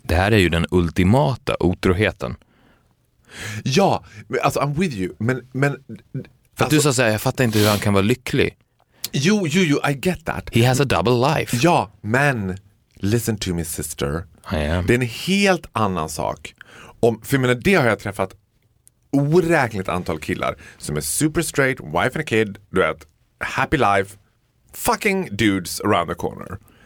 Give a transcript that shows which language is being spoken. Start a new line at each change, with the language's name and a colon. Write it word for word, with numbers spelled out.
Swedish: Det här är ju den ultimata otroheten. Ja, men alltså
English: I'm with you,
Swedish: men men för att du sa så här, jag fattar inte hur han kan vara lycklig. Jo, jo, jo,
English: I get that. He has a double life.
Swedish: Ja, men
English: listen to me sister. I am.
Swedish: Det är en helt annan sak. Om, för jag menar, det har jag träffat oräkneligt antal killar som är
English: super straight, wife and a kid, du vet, happy life, fucking dudes around the corner.